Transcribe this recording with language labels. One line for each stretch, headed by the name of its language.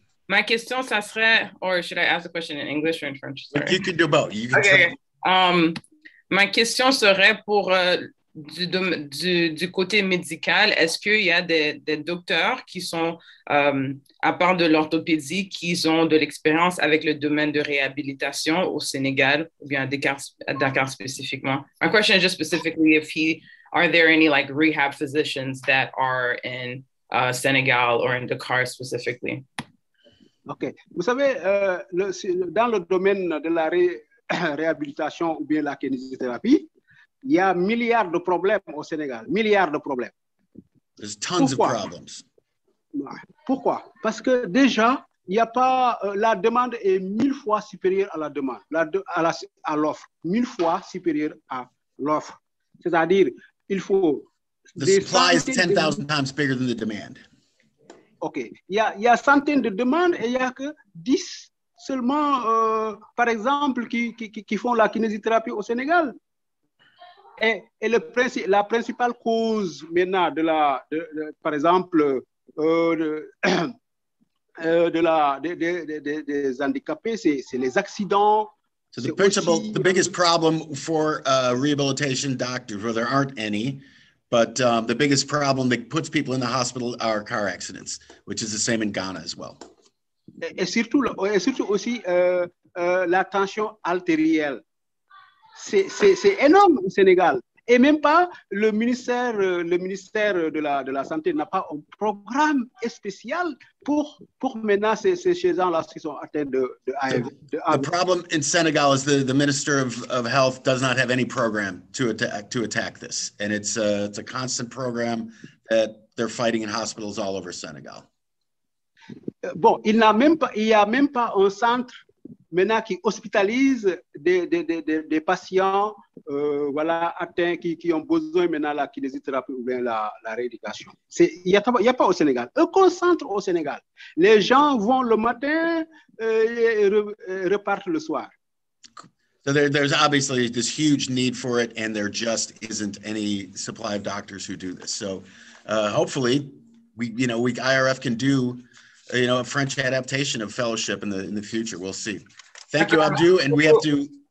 French: Ma question, ça serait,
English: or should I ask the question in English or in French? Sorry. You can do both. You can okay.
French: Ma question serait pour du côté médical, est-ce qu'il y a des docteurs qui sont, à part de l'orthopédie, qui ont de l'expérience avec le domaine de réhabilitation au Sénégal ou bien à Dakar spécifiquement?
English: My question is just specifically are there any like rehab physicians that are in Senegal or in Dakar specifically? OK.
French: Vous savez, dans le domaine de la réhabilitation ou bien la kinésithérapie, il y a milliards de problèmes au Sénégal, milliards de problèmes.
English: There's tons of problems.
French: Pourquoi? Parce que déjà, il n'y a pas, la demande est mille fois supérieure à la demande, à l'offre, mille fois supérieure à l'offre. C'est-à-dire, il faut...
English: The supply is 10,000 times bigger than the demand. OK.
French: Il y a centaines de demandes et il n'y a que 10 seulement, par exemple, qui font la kinésithérapie au Sénégal. Et la principale cause maintenant des handicapés, c'est les accidents.
English: So the biggest problem for rehabilitation doctors, well, there aren't any, but the biggest problem that puts people in the hospital are car accidents, which is the same in Ghana as well.
French: Et surtout aussi la tension artérielle. C'est énorme au Sénégal. Et même pas le ministère de la Santé n'a pas un programme spécial pour menacer ces gens lorsqu'ils sont atteints de AIDS.
English: The problem in Senegal is the Minister of Health does not have any program to attack this. And it's a constant program that they're fighting in hospitals all over Senegal.
French: Bon, il n'y a même pas un centre maintenant qui hospitalise des patients atteints qui ont besoin maintenant la kinésithérapie ou bien la rééducation. Il n'y a pas au Sénégal. Aucun centre au Sénégal. Les gens vont le matin et repartent le soir.
English: So there's obviously this huge need for it, and there just isn't any supply of doctors who do this. So hopefully, we IRF can do you know, a French adaptation of fellowship in the future. We'll see. Thank you, Abdu, and we have to...